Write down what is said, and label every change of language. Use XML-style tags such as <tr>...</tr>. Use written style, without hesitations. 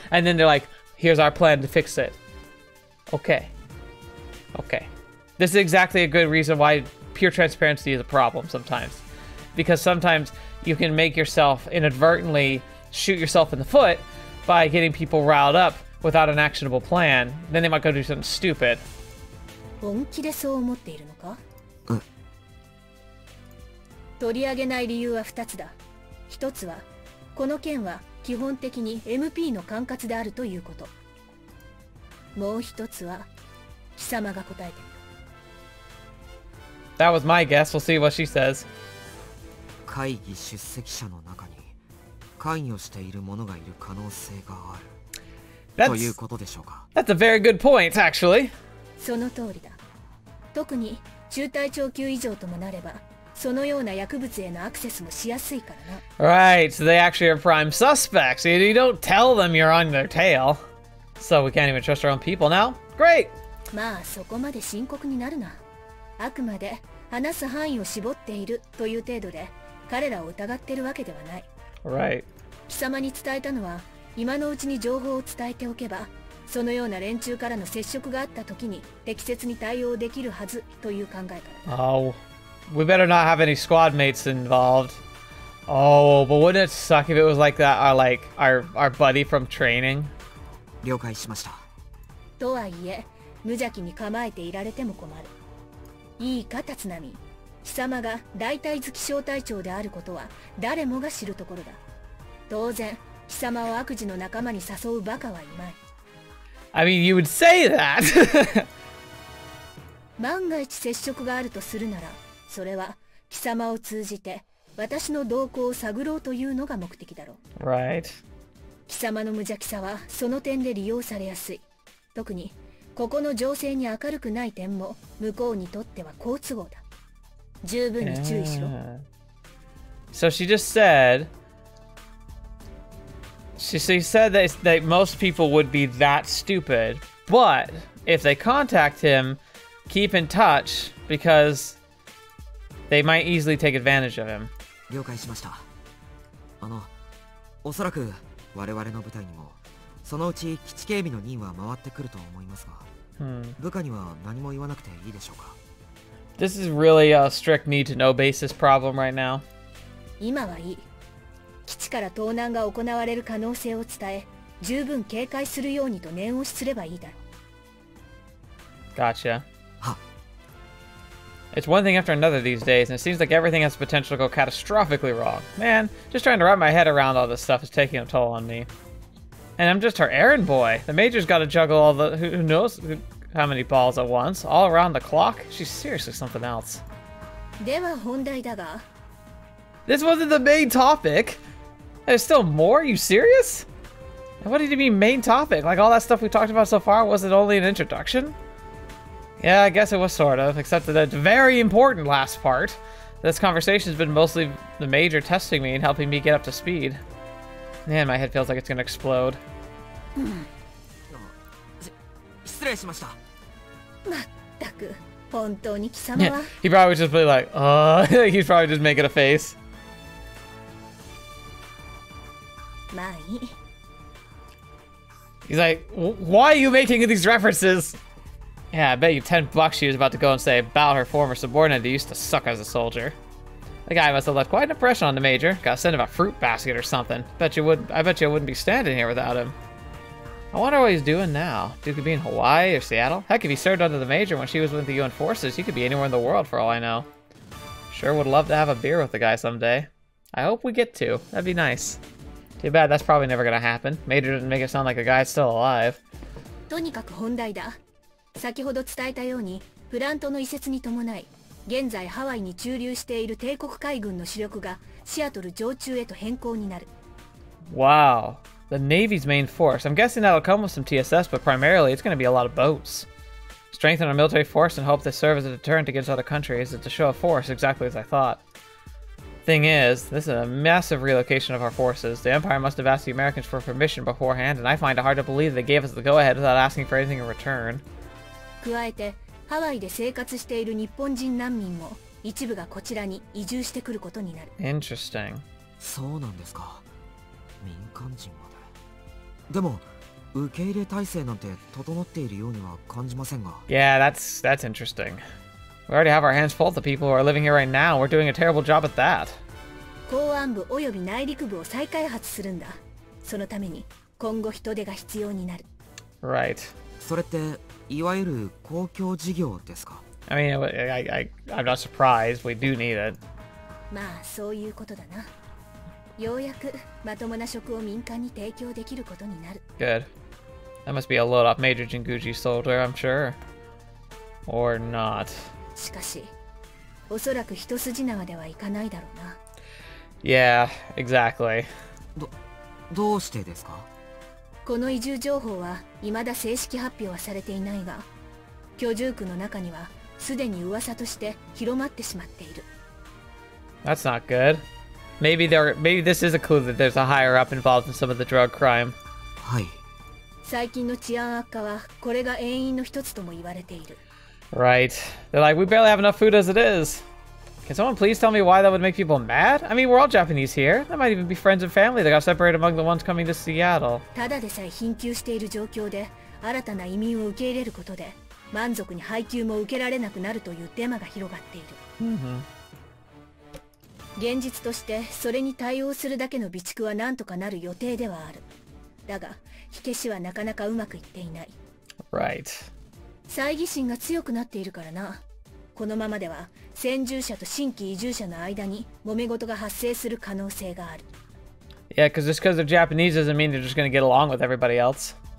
<en>And then they're like, here's our plan to fix it. Okay. Okay. This is exactly a good reason why pure transparency is a problem sometimes. Because sometimes you can make yourself inadvertently shoot yourself in the foot by getting people riled up without an actionable plan. Then they might go do something stupid.</en> <ja>本気でそう思っているのか? 取り上げない理由は2つだ。1つは、この件は基本的に MP の管轄であるということ。もう1つは、貴様が答えてみる。</ja> <en>That was my guess. We'll see what she says.</en> <ja>会議出席者の中に関与している者がいる可能性がある。ということでしょうか。</ja> <en>That's a very good point, actually.</en> <ja>その通りだ。特に中隊長級以上ともなれば、そのような薬物へのアクセスもしやすいからな。</ja> <en>Right, so they actually are prime suspects. You don't tell them you're on their tail. So we can't even trust our own people now? Great!</en> <ja>まあそこまで深刻になるな。あくまで話す範囲を絞っているという程度で彼らを疑ってるわけではない。</ja> <en>Right.</en> <ja>貴様に伝えたのは今のうちに情報を伝えておけばそのような連中からの接触があった時に適切に対応できるはずという考えから。</ja> <en>Oh, we better not have any squad mates involved. Oh, but wouldn't it suck if it was like that, our buddy from training?</en> <ja>了解しました。とはいえ、無邪気に構えていられても困る。いいか、立浪。貴様が大隊月小隊長であることは誰もが知るところだ。当然、貴様を悪事の仲間に誘うバカはいない。</ja> <en>I mean, you would say that!</en> <ja>万が一接触があるとするなら、それは貴様を通じて私の動向を探ろうというのが目的だろう。</ja> <en>Right.</en> <ja>貴様の無邪気さはその点で利用されやすい。特に、ここの情勢に明るくない点も向こうにとっては好都合だ。十分に注意しろ。</ja> <en>So she just said... She said that most people would be that stupid, but if they contact him, keep in touch because they might easily take advantage of him.</en> <ja>了解しました。あの、おそらく我々の部隊にもそのうち基地警備の任は回ってくると思いますが、部下には何も言わなくていいでしょうか。</ja> <en>This is really a strict need to know basis problem right now.</en> <ja>今はいい。基地から盗難が行われる可能性を伝え、十分警戒するようにと念押しすればいいだろう。</ja> <en>Gotcha.</en> <ja>は。</ja> <en>It's one thing after another these days, and it seems like everything has potential to go catastrophically wrong. Man, just trying to wrap my head around all this stuff is taking a toll on me. And I'm just her errand boy. The major's got to juggle all the who knows how many balls at once, all around the clock. She's seriously something else.</en> <ja>では本題だが。</ja> <en>This wasn't the main topic! There's still more? Are you serious? And what did you mean main topic? Like all that stuff we talked about so far, was it only an introduction? Yeah, I guess it was sort of, except that it's very important last part. This conversation's been mostly the major testing me and helping me get up to speed. Man, my head feels like it's gonna explode.</en> <ja>失礼しました。まったく、本当に貴様は。</ja> <en>He probably was just really like, he's probably just making a face.</en> <ja>まあいい。</ja> <en>He's like, why are you making these references? Yeah, I bet you $10 she was about to go and say about her former subordinate who used to suck as a soldier. The guy must have left quite an impression on the major. Gotta send him a fruit basket or something. I bet you wouldn't be standing here without him. I wonder what he's doing now. Dude could be in Hawaii or Seattle. Heck, if he served under the major when she was with the UN forces, he could be anywhere in the world for all I know. Sure would love to have a beer with the guy someday. I hope we get to. That'd be nice. Too bad, that's probably never gonna happen. Major didn't make it sound like the guy's still alive.</en> <ja>とにかく本題だ。先ほど伝えたように、プラントの移設に伴い、現在ハワイに駐留している帝国海軍の主力がシアトル常駐へと変更になる。</ja> <en>Wow, the Navy's main force. I'm guessing that'll come with some TSS, but primarily it's gonna be a lot of boats. Strengthen our military force and hope they serve as a deterrent against other countries. It's a show of force, exactly as I thought. Thing is, this is a massive relocation of our forces. The Empire must have asked the Americans for permission beforehand, and I find it hard to believe they gave us the go-ahead without asking for anything in return.</en> <ja>加えて、ハワイで生活している日本人難民も一部がこちらに移住してくることになる。</ja> <en>Interesting.</en> <ja>そうなんですか。民間人まで。でも、受け入れ体制なんて整っているようには感じませんが。</ja> <en>Yeah, that's interesting. We already have our hands full of the people who are living here right now. We're doing a terrible job at that.</en> <ja>公安部及び内陸部を再開発するんだ。そのために今後人手が必要になる。</ja> <en>Right.</en> <ja>それっていわゆる公共事業ですか?</ja> <en>I mean, I'm not surprised. We do need it.</en> <ja>まあそういうことだな。ようやくまともな職を民間に提供できることになる。</ja> <en>Good. That must be a load off Major Jinguji soldier, I'm sure. Or not.</en> <ja>しかし、おそらく一筋縄ではいかないだろうな。</ja> <en>Yeah, exactly.</en> <ja>どうしてですか? この移住情報は、未だ正式発表はされていないが、居住区の中には、すでに噂として広まってしまっている。</ja> <en>That's not good. Maybe this is a clue that there's a higher up involved in some of the drug crime.</en> <ja>はい。最近の治安悪化はこれが原因の一つとも言われている。</ja> <en>Right. They're like, we barely have enough food as it is. Can someone please tell me why that would make people mad? I mean, we're all Japanese here. That might even be friends and family that got separated among the ones coming to Seattle.</en> <ja>ただでさえ貧窮している状況で、新たな移民を受け入れることで、満足に配給も受けられなくなるというデマが広がっている。現実として、それに対応するだけの備蓄はなんとかなる予定ではある。だが、火消しはなかなかうまくいっていない。</ja> <en>Right.</en> <ja>猜疑心が強くなっているからな。このままでは先住者と新規移住者の間に揉め事が発生する可能性がある。</ja> <en>Yeah, because just because they're Japanese doesn't mean they're just gonna get along with everybody else.</en>